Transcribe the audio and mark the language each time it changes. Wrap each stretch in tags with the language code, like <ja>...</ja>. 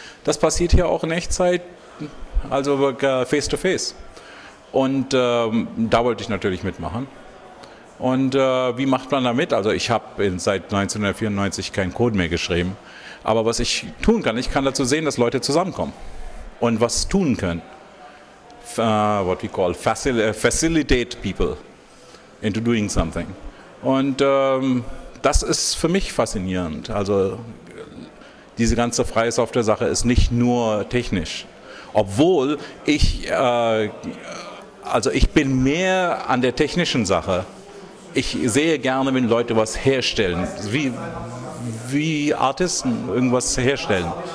<de>Das passiert hier auch in Echtzeit, also face-to-face. Und da wollte ich natürlich mitmachen. Und wie macht man damit? Also ich habe seit 1994 keinen Code mehr geschrieben. Aber was ich tun kann, ich kann dazu sehen, dass Leute zusammenkommen und was tun können.</de> <en>What we call facilitate people into doing something.</en> <de>Und das ist für mich faszinierend. Also diese ganze freie Software-Sache ist nicht nur technisch. Obwohl ich... Also ich bin mehr an der technischen Sache. Ich sehe gerne, wenn Leute was herstellen, wie Artisten irgendwas herstellen.</de>